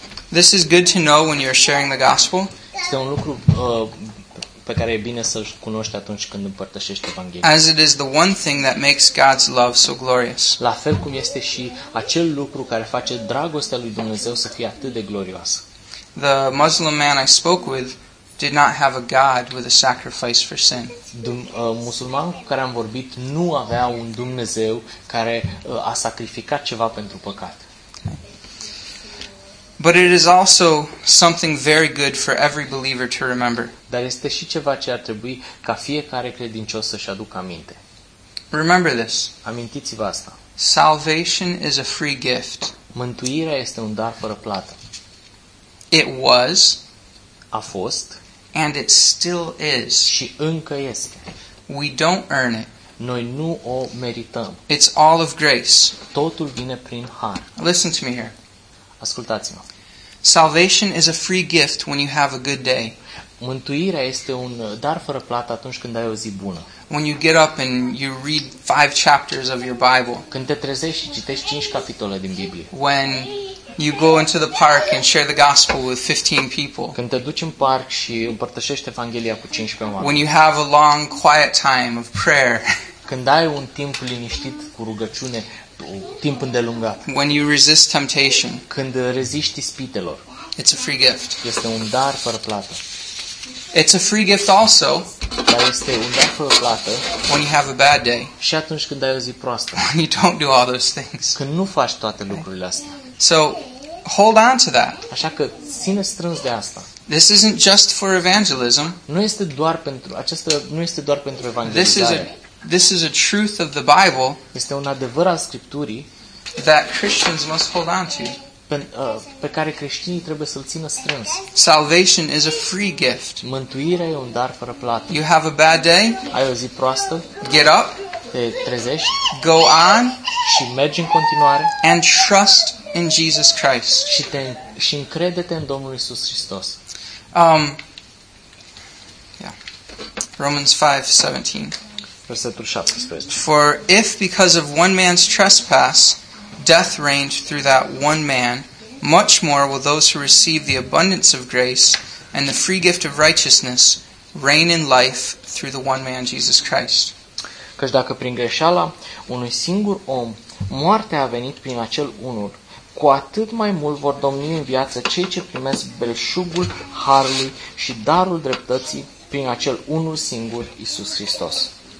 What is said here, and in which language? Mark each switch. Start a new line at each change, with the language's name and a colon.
English: This is good to know when you're sharing the gospel.
Romanian: Este un lucru pe care e bine să-l cunoști atunci când împărtășești evanghelia.
English: As it is the one thing that makes God's love so glorious.
Romanian: La fel cum este și acel lucru care face dragostea lui Dumnezeu să fie atât de glorioasă.
English: The Muslim man I spoke with did not have a God with a sacrifice for sin.
Romanian: Musulmanul cu care am vorbit nu avea un Dumnezeu care a sacrificat ceva pentru păcat.
English: But it is also something very good for every believer to remember.
Romanian: Dar este și ceva ce ar trebui ca fiecare credincios să-și aducă aminte.
English: Remember this.
Romanian: Amintiți-vă asta.
English: Salvation is a free gift.
Romanian: Mântuirea este un dar fără plată.
English: It was.
Romanian: A fost.
English: And it still is.
Romanian: Și încă este.
English: We don't earn it.
Romanian: Noi nu o merităm.
English: It's all of grace.
Romanian: Totul vine prin har.
English: Listen to me here.
Romanian: Ascultați-mă.
English: Salvation is a free gift when you have a good day.
Romanian: Mântuirea este un dar fără plată atunci când ai o zi bună.
English: When you get up and you read 5 chapters of your Bible.
Romanian: Când te trezești și citești 5 capitole din Biblie.
English: When you go into the park and share the gospel with 15 people.
Romanian: Când te duci în parc și împărtășești evanghelia cu 15 oameni.
English: When you have a long quiet time of prayer.
Romanian: Când ai un timp liniștit cu rugăciune. Timp îndelungat.
English: When you resist temptation,
Romanian: când reziști ispitelor,
English: it's a free gift.
Romanian: Este un dar fără plată.
English: It's a free gift also,
Romanian: dar este un dar fără plată,
English: when you have a bad day,
Romanian: și atunci când ai o zi proastă,
English: when you don't do all those things,
Romanian: când nu faci toate lucrurile astea.
English: So, hold on to that.
Romanian: Așa că ține strâns de asta.
English: This isn't just for evangelism.
Romanian: Nu este doar pentru acesta, nu este doar pentru evanghelizare.
English: This is a truth of the Bible.
Romanian: Este un adevăr al Scripturii
English: that Christians must hold on to.
Romanian: Pe care creștinii trebuie să-l țină strâns.
English: Salvation is a free gift.
Romanian: Mântuirea e un dar fără plată.
English: You have a bad day?
Romanian: Ai o zi proastă?
English: Get up.
Romanian: Te trezești.
English: Go on.
Romanian: Și mergi în continuare.
English: And trust in Jesus Christ.
Romanian: Și încrede-te în Domnul Iisus Hristos.
English: Romans 5:17.
Romanian: Versetul 17.
English: For if because of one man's trespass death reigned through that one man, much more will those who receive the abundance of grace and the free gift of righteousness reign in life through the one man, Jesus Christ.
Romanian: Căci dacă prin greșeala unui singur om, moartea a venit prin acel unul, cu atât mai mult vor domni în viață cei ce primesc belșugul harului și darul dreptății prin acel unul singur, Iisus Hristos.